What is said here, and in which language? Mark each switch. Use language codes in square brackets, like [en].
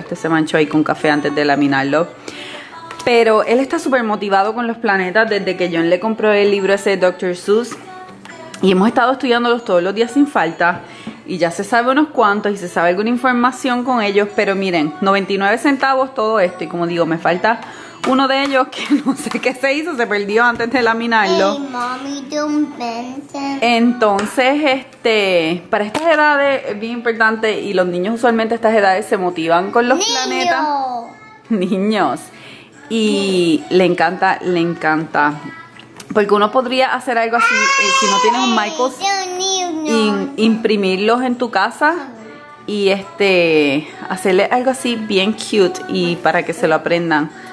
[es] Este se manchó ahí con café antes de laminarlo. Pero él está súper motivado con los planetas desde que John le compró el libro ese de Dr. Seuss. Y hemos estado estudiándolos todos los días sin falta. Y ya se sabe unos cuantos y se sabe alguna información con ellos. Pero miren, 99 centavos todo esto. Y como digo, me falta uno de ellos que no sé qué se hizo. Se perdió antes de laminarlo. [en] Hey, mommy, don't bend them. [es] Entonces, para estas edades es bien importante. Y los niños usualmente a estas edades se motivan con los niños. Planetas. Niños. Y le encanta, le encanta. Porque uno podría hacer algo así, si no tienes un Michael's, imprimirlos en tu casa y hacerle algo así bien cute y para que se lo aprendan.